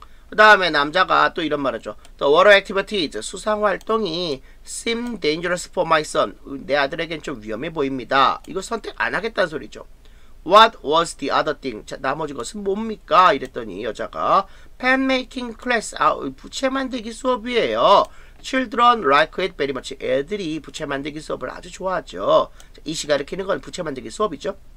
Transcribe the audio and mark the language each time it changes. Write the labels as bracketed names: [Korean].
[Korean] 그 다음에 남자가 또 이런 말을 하죠. [English] The water activities, [Korean] 수상활동이 [English] seem dangerous for my son. [Korean] 내 아들에겐 좀 위험해 보입니다. 이거 선택 안 하겠다는 소리죠. [English] What was the other thing? [Korean] 자, 나머지 것은 뭡니까? 이랬더니 여자가 [English] pen making class, [Korean] 아, 부채 만들기 수업이에요. [English] Children like it very much. [Korean] 애들이 부채 만들기 수업을 아주 좋아하죠. 이시 가르치는 건 부채 만들기 수업이죠.